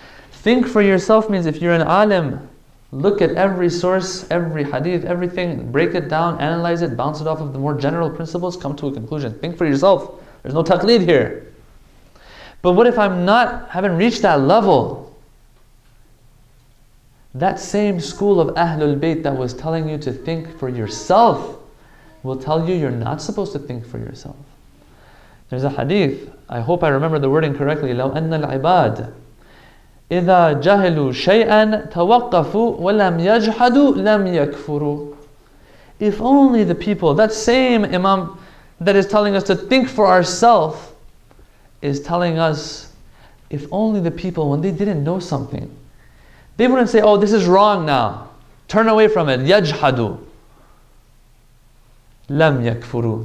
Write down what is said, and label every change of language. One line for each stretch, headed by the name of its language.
English: Think for yourself means if you're an alim, look at every source, every hadith, everything, break it down, analyze it, bounce it off of the more general principles, come to a conclusion. Think for yourself. There's no taqlid here. But what if I'm not, haven't reached that level? That same school of Ahlul Bayt that was telling you to think for yourself will tell you you're not supposed to think for yourself. There's a hadith, I hope I remember the wording correctly,
Arabic: لَوْ أَنَّ الْعِبَادِ إِذَا جَهِلُوا شَيْئًا تَوَقَّفُوا وَلَمْ يَجْحَدُوا لَمْ يَكْفُرُوا.
English: If only the people, that same Imam that is telling us to think for ourselves, is telling us, if only the people, when they didn't know something, they wouldn't say, oh, this is wrong now, turn away from it,
Arabic: يَجْحَدُوا لَمْ يَكْفُرُوا.